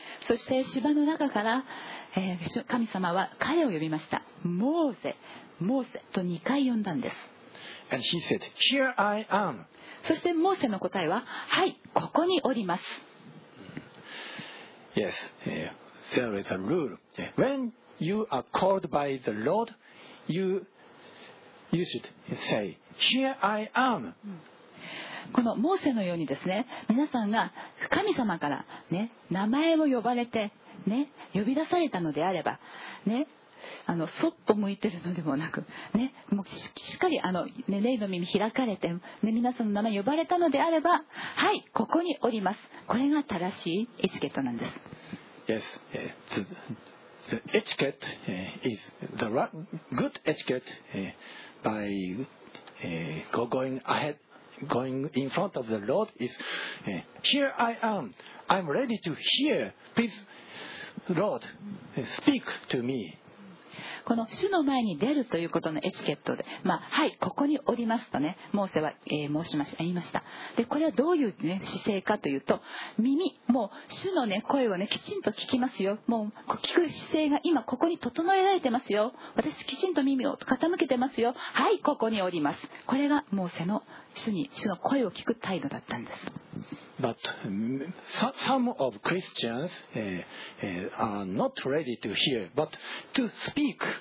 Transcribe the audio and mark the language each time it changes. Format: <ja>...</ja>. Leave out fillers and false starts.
<ja>そして芝の中から、神様は彼を呼びました。モーゼ、モーゼと2回呼んだんです。</ja> <en>And he said, Here I am.</en> <ja>そしてモーゼの答えは、はい、ここにおります。</ja> <en>Yes, there is a rule. When you are called by the Lord, you should say, Here I am.</en> <ja>このモーセのようにですね、皆さんが神様から、ね、名前を呼ばれて、ね、呼び出されたのであれば、ね、あのそっぽ向いてるのでもなく、ね、もうしっかりあの、ね、霊の耳開かれて、ね、皆さんの名前呼ばれたのであれば、はい、ここにおります。これが正しいエチケットなんです。</ja> <en>Yes, the etiquette is the good etiquette by going ahead. Going in front of the Lord is here I am. I'm ready to hear. Please, Lord, speak to me.</en> <ja>この主の前に出るということのエチケットで、まあ、はい、ここにおりますとね、モーセは、申しました、言いました。で、これはどういう、ね、姿勢かというと、耳、もう主の、ね、声を、ね、きちんと聞きますよ。もう聞く姿勢が今ここに整えられてますよ。私きちんと耳を傾けてますよ。はい、ここにおります。これがモーセの主の声を聞く態度だったんです。</ja> <en>But some of Christians are not ready to hear, but to speak.</en>